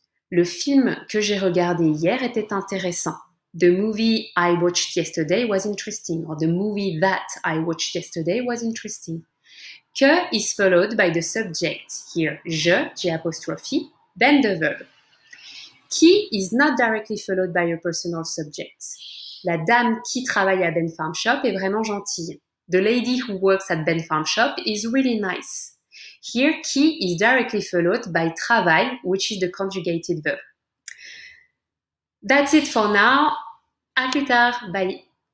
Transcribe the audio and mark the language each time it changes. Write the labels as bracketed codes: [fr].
[fr] Le film que j'ai regardé hier était intéressant. [en] The movie I watched yesterday was interesting, or the movie that I watched yesterday was interesting. Que is followed by the subject, here, je, j'apostrophe, then the verb. Qui is not directly followed by a personal subject. [fr] La dame qui travaille à Ben Farm Shop est vraiment gentille. [en] The lady who works at Ben Farm Shop is really nice. Here, qui is directly followed by travail, which is the conjugated verb. That's it for now. [fr] À plus tard. [en] Bye.